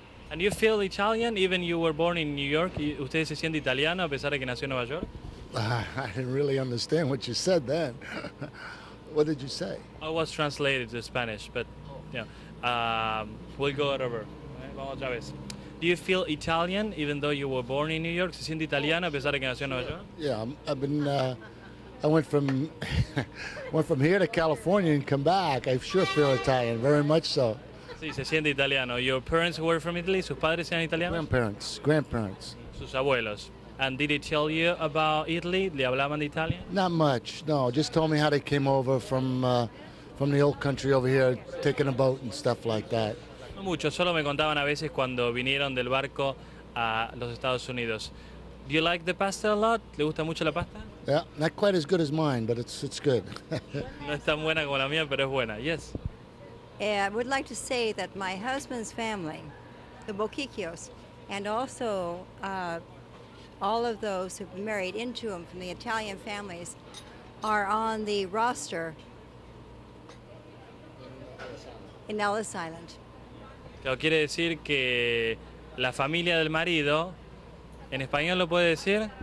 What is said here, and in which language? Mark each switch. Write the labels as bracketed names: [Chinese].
[English] And you feel Italian even you were born in New York? [Spanish] ¿Usted se siente italiano a pesar de que nació en Nueva York? [English] I didn't really understand what you said then. What did you say? I was translated to Spanish, but yeah. We'll go over. [Spanish] Vamos otra vez. [English] Do you feel Italian even though you were born in New York? [Spanish] ¿Se siente italiano a pesar de que nació en Nueva York? [English] Yeah, I've been I went from here to California and come back. I sure feel Italian, very much so. [Spanish] Sí, se siente italiano. [English] Your parents were from Italy? [Spanish] ¿Sus padres eran italianos? [English] Grandparents. [Spanish] Sus abuelos. [English] And did he tell you about Italy? [Spanish] ¿Le hablaban de Italia? [English] Not much, no. Just told me how they came over from the old country over here, taking a boat and stuff like that. [Spanish] No mucho, solo me contaban a veces cuando vinieron del barco a los Estados Unidos. [English] Do you like the pasta a lot? [Spanish] ¿Le gusta mucho la pasta? [English] Yeah, not quite as good as mine, but it's good. [Spanish] No es tan buena como la mía, pero es buena. [English] Yes. Yeah, I would like to say that my husband's family, the Boquicchios, and also all of those who've married into them from the Italian families, are on the roster in Ellis Island. [Spanish] Lo quiere decir que la familia del marido, ¿en español lo puede decir?